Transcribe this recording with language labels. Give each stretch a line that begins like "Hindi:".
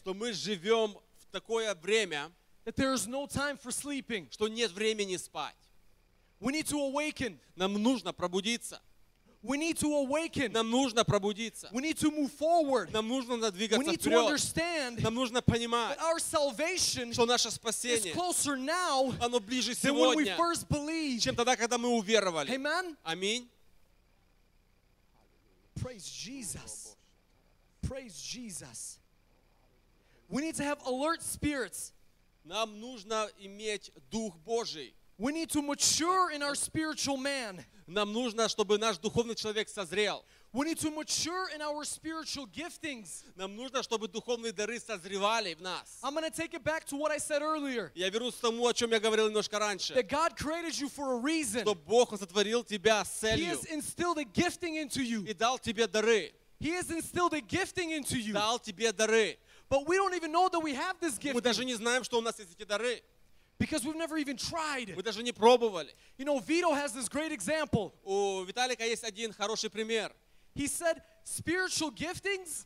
Russian: Что мы живем в такое время.
English: That there is no time for sleeping.
Russian: Что нет времени спать.
English: We need to awaken.
Russian: Нам нужно пробудиться.
English: We need to awaken.
Russian: Нам нужно пробудиться.
English: We need to move forward.
Russian: Нам нужно двигаться вперед.
English: We need to understand.
Russian: Нам нужно понимать,
English: that our salvation,
Russian: что наше спасение,
English: is closer now,
Russian: оно ближе сегодня,
English: than when we first believed.
Russian: Чем тогда, когда мы уверовали.
English: Amen.
Russian: Аминь.
English: Praise Jesus. Praise Jesus. We need to have alert spirits.
Russian: Нам нужно иметь дух Божий.
English: We need to mature in our spiritual man.
Russian: Нам нужно, чтобы наш духовный человек созрел.
English: We need to mature in our spiritual giftings.
Russian: Нам нужно, чтобы духовные дары созревали в нас.
English: I'm going to take it back to what I said earlier.
Russian: Я вернусь к тому, о чем я говорил немножко раньше.
English: That God created you for a reason.
Russian: Что Бог сотворил тебя с целью.
English: He has instilled a gifting into you.
Russian: И дал тебе дары.
English: He has instilled a gifting into you.
Russian: Дал тебе дары.
English: But we don't even know that we have this gift.
Russian: Мы даже не знаем, что у нас есть эти дары.
English: Because we've never even tried.
Russian: Мы даже не пробовали.
English: You know, Vito has this great example.
Russian: У Виталика есть один хороший пример.
English: He said, spiritual giftings.